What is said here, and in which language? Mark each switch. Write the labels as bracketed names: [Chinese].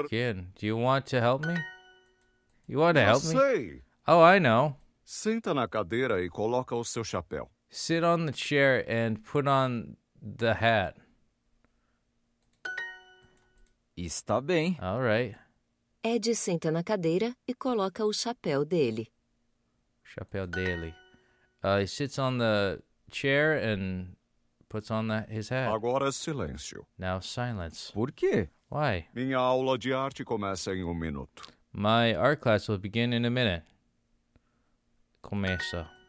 [English] Again. Do you want to help me? You want to help me? [Portuguese] Sei. [English] Oh, I know. [Portuguese] Senta na cadeira e coloca o seu chapéu. [English] Sit on the chair and put on the hat. [Portuguese] Está bem. [English] All right. [Portuguese] Ed senta na cadeira e coloca o chapéu dele. Chapéu dele. [English] He sits on the chair and puts on his hat. [Portuguese] Agora silêncio. [English] Now silence. [Portuguese] Por quê? [English] Why? [Portuguese] Minha aula de arte começa em 1 minuto. [English] My art class will begin in 1 minute. [Portuguese] Começa.